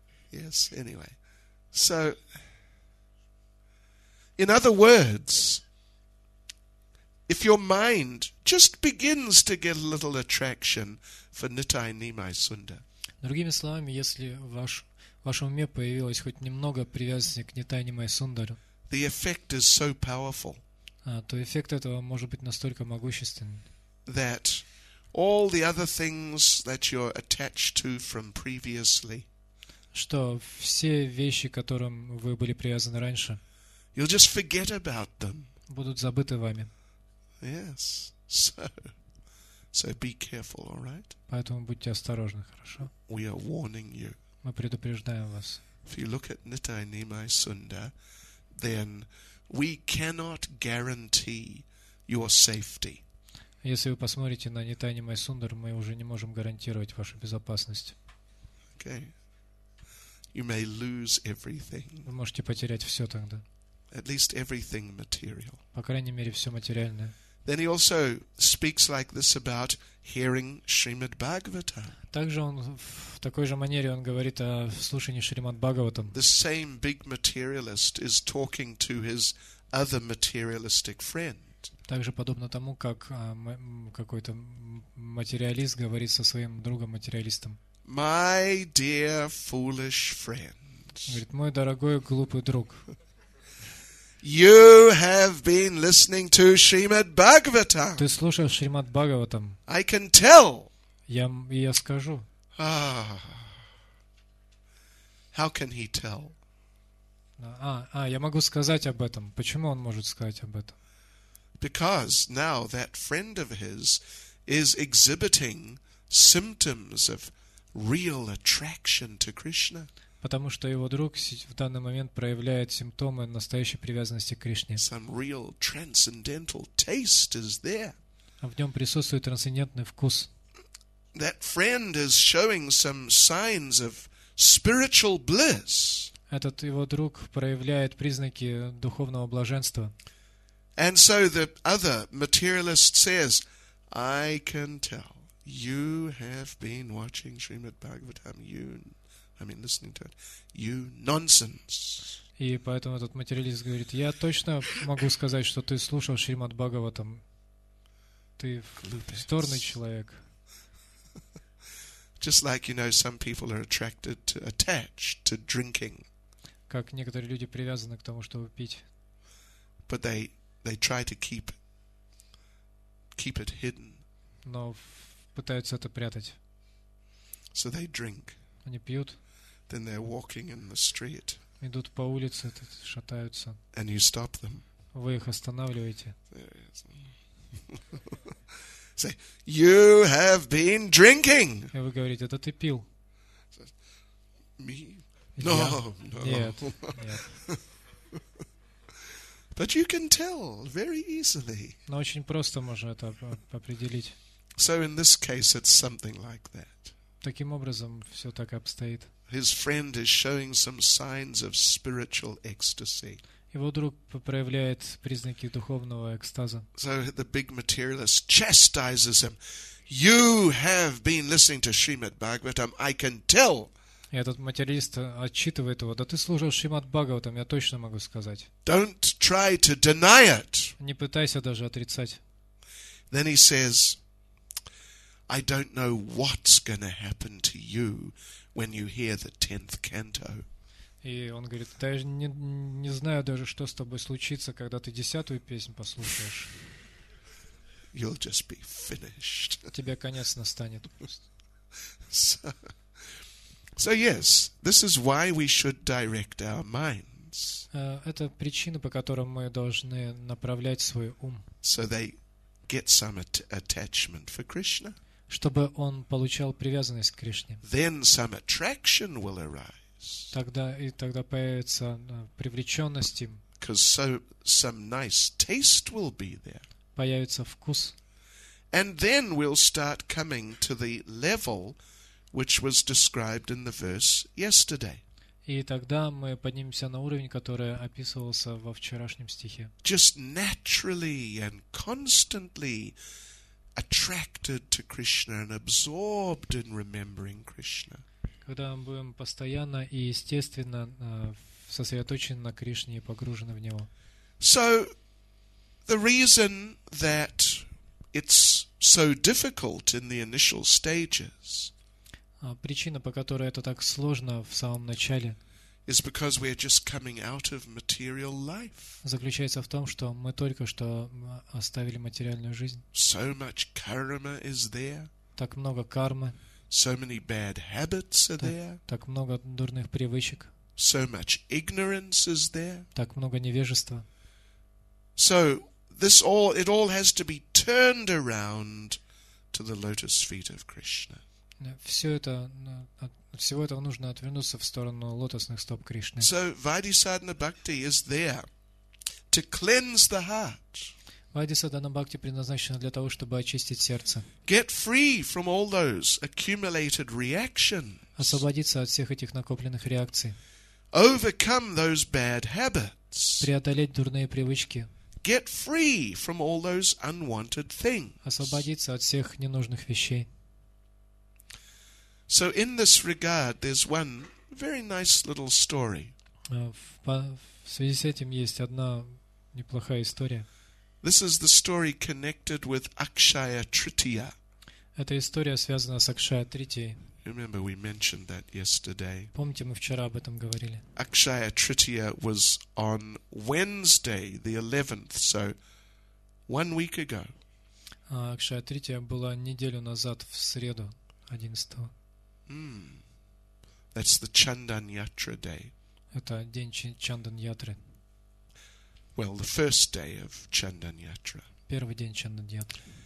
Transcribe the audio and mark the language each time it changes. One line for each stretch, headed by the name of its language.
English: Yes, anyway. So in other words, if your mind just begins to get a little attraction for Nitai Nimai Sundar.
Russian: Другими словами, если в вашем уме появилось хоть немного привязанности к Нитай Нимай Сундару,
English: the effect is so powerful.
Russian: То эффект этого может быть настолько могущественным.
English: That all the other things that you're attached to from previously.
Russian: Что все вещи, к которым вы были привязаны раньше,
English: you'll just forget about them.
Russian: Будут забыты вами.
English: Yes. So, So be careful, all right?
Russian: Поэтому будьте осторожны, хорошо?
English: We are warning you.
Russian: Мы предупреждаем вас.
English: If you look at Nittai Nimai Sunda, then we cannot guarantee your safety.
Russian: Если вы посмотрите на Nittai Nimai Sunda, мы уже не можем гарантировать вашу безопасность.
English: Okay. You may lose everything.
Russian: Вы можете потерять все тогда.
English: At least everything material.
Russian: По крайней мере, все материальное.
English: Then he also speaks like this about hearing Srimad Bhagavatam.
Russian: Также он в такой же манере он говорит о слушании Шримад Бхагаватам.
English: The same big materialist is talking to his other materialistic friend.
Russian: Также подобно тому, как какой-то материалист говорит со своим другом-материалистом.
English: My dear foolish friend.
Russian: Говорит, мой дорогой глупый друг.
English: You have been listening to Srimad Bhagavatam.
Russian: Ты слушал Шримад Бхагаватам.
English: I can tell.
Russian: Я скажу.
English: Ah, how can he tell?
Russian: Я могу сказать об этом. Почему он может сказать об этом?
English: Because now that friend of his is exhibiting symptoms of real attraction to Krishna.
Russian: Потому что его друг в данный момент проявляет симптомы настоящей привязанности к Кришне.
English: Some real transcendental taste is there.
Russian: В нем присутствует трансцендентный вкус.
English: That friend is showing some signs of spiritual bliss.
Russian: Этот его друг проявляет признаки духовного блаженства.
English: And so the other materialist says, I can tell you have been watching Srimad Bhagavatam. Listening to it. You nonsense.
Russian: И поэтому этот материалист говорит, я точно могу сказать, что ты слушал Шримад Бхагаватам. Ты вздорный человек.
English: Just like, you know, some people are attracted to, attached to drinking.
Russian: Как некоторые люди привязаны к тому, чтобы пить.
English: But they try to keep it hidden.
Russian: Но пытаются это прятать.
English: So they drink.
Russian: Они пьют.
English: Then they're walking in the street.
Russian: Идут по улице, шатаются.
English: And you stop them.
Russian: Вы их останавливаете.
English: Say, you have been drinking.
Russian: И вы говорите, это ты пил.
English: Me? No, no.
Russian: Нет.
English: But you can tell very easily.
Russian: Но очень просто можно это определить.
English: So in this case, it's something like that.
Russian: Таким образом, все так обстоит.
English: His friend is showing some signs of spiritual ecstasy.
Russian: Его друг проявляет признаки духовного экстаза.
English: So the big materialist chastises him. You have been listening to Srimad Bhagavatam. I can tell.
Russian: И этот материалист отчитывает его. Да ты слушал Шримад Бхагаватам, я точно могу сказать.
English: Don't try to deny it.
Russian: Не пытайся даже отрицать.
English: Then he says, I don't know what's going to happen to you when you hear the 10th canto.
Russian: И он говорит, да я не знаю даже, что с тобой случится, когда ты 10-ю песню послушаешь.
English: You'll just be finished.
Russian: Тебе конец настанет.
English: So yes, this is why we should direct our minds.
Russian: Это причина, по которой мы должны направлять свой ум.
English: So they get some attachment for Krishna.
Russian: Чтобы он получал привязанность к Кришне.
English: Then some attraction will arise.
Russian: Тогда появится привлеченность им.
English: Because some nice taste will be there.
Russian: Появится вкус.
English: And then we'll start coming to the level which was described in the verse yesterday.
Russian: И тогда мы поднимемся на уровень, который описывался во вчерашнем стихе.
English: Just naturally and constantly attracted to Krishna and absorbed in remembering Krishna.
Russian: Когда мы будем постоянно и естественно сосредоточены на Кришне и погружены в него.
English: So the reason that it's so difficult in the initial stages.
Russian: Причина, по которой это так сложно в самом начале.
English: Is because we are just coming out of material life.
Russian: Заключается в том, что мы только что оставили материальную жизнь.
English: So much karma is there.
Russian: Так много кармы.
English: So many bad habits are there.
Russian: Так много дурных привычек.
English: So much ignorance is there.
Russian: Так много невежества.
English: So this all it all has to be turned around to the lotus feet of Krishna.
Russian: Всего этого нужно отвернуться в сторону лотосных стоп Кришны.
English: So Vaidhisadhana Bhakti is there to cleanse the heart.
Russian: Vaidhisadhana Bhakti предназначена для того, чтобы очистить сердце.
English: Get free from all those accumulated reactions.
Russian: Освободиться от всех этих накопленных реакций.
English: Overcome those bad habits.
Russian: Преодолеть дурные привычки.
English: Get free from all those unwanted things.
Russian: Освободиться от всех ненужных вещей.
English: So in this regard, there's one very nice little story.
Russian: В связи с этим есть одна неплохая история.
English: This is the story connected with Akshaya Tritiya.
Russian: Эта история связана с Акшая Тритией.
English: Remember, we mentioned that yesterday.
Russian: Помните, мы вчера об этом говорили.
English: Akshaya Tritiya was on Wednesday, the 11th, so 1 week ago.
Russian: Акшая Трития была неделю назад, в среду, 11-го.
English: That's the Chandan Yatra day.
Russian: Это день Чандан Ятры.
English: Well, the first day of Chandan Yatra.
Russian: Первый день Чандан Ятры.